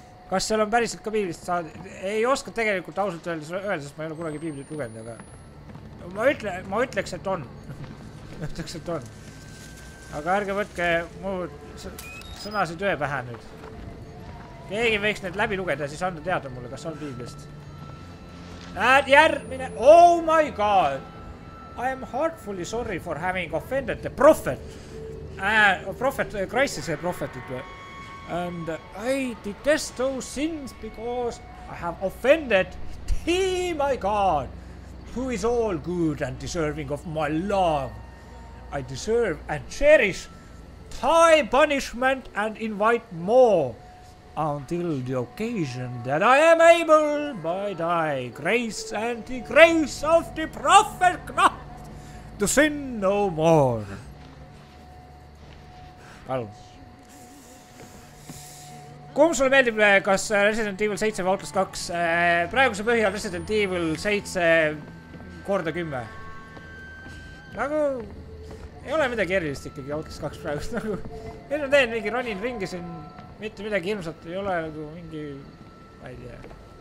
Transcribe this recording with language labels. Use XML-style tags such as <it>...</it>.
<et>Kas seal on päriselt ka biiblist saad? Ei oska tegelikult ausalt öelda, sest ma ei ole kunagi biiblit lugenud, aga ma ütleks, et on. Ühteks, et on. Aga ärge võtke mu sõnasi töö pähe nüüd. Keegi võiks need läbi lugeda, siis anda teada mulle, kas on Biiblist.</et> <en>Järgmine... Oh my god! I am heartfully sorry for having offended the prophet. Christ is a prophet. And I detest those sins because I have offended the my god, who is all good and deserving of my love. I deserve and cherish thy punishment and invite more until the occasion that I am able by thy grace and the grace of the prophet Knut to sin no more.</en> <et>Palun. Kumb sulle meeldib, kas Resident Evil 7 või Outlast 2? Praeguse põhjal Resident Evil 7 korda 10. Nagu... Ei ole midagi erilist ikkagi Outlast 2 praegust, nagu enne teen mingi ronin ringi siin, mitte midagi ilmsat, ei ole nagu mingi, ma ei tea.</et>